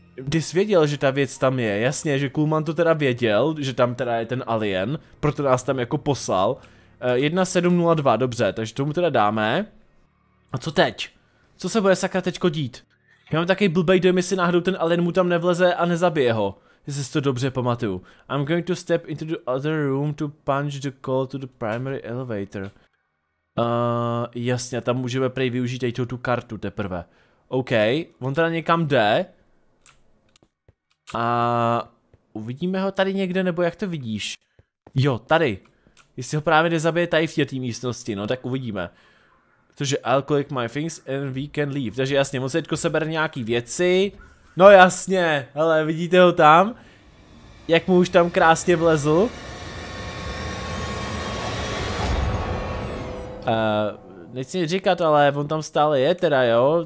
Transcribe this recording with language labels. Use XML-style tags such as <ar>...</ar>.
<cs>Ty jsi věděl, že ta věc tam je, jasně, že Coolman to teda věděl, že tam teda je ten alien, proto nás tam jako poslal. 1702, dobře, takže tomu teda dáme. A co teď? Co se bude sakra teďko dít? Já mám takový blbej dojem, jestli náhodou ten alien mu tam nevleze a nezabije ho. Jestli si to dobře pamatuju.</cs> <en>I'm going to step into the other room to punch the call to the primary elevator.</en> <cs>Jasně, tam můžeme prej využít i tu kartu teprve. OK, on teda někam jde. A uvidíme ho tady někde, nebo jak to vidíš? Jo, tady. Jestli ho právě nezabije tady v té místnosti, no tak uvidíme. Takže</cs> <en>I'll collect my things and we can leave.</en> <cs>Takže jasně, on se teďko sebere nějaký věci. No jasně, hele, vidíte ho tam? Jak mu už tam krásně vlezl? Nechci nic říkat, ale on tam stále je teda, jo?</cs>